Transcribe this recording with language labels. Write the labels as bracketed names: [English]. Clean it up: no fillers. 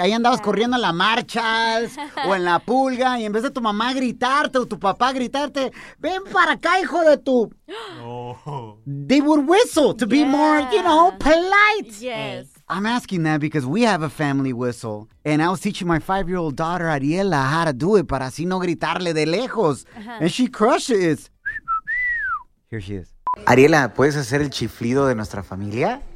[Spanish] Ahí andabas corriendo en la marcha o en la pulga y en vez de tu mamá gritarte o tu papá gritarte, ven para acá, hijo de tu. [English] They would whistle to be more, you know, polite. Yes. I'm asking that because we have a family whistle, and I was teaching my five-year-old daughter, Ariela, how to do it, [Spanish] para así no gritarle de lejos. [English] Uh-huh. And she crushes it. Here she is. [Spanish] Ariela, ¿puedes hacer el chiflido de nuestra familia?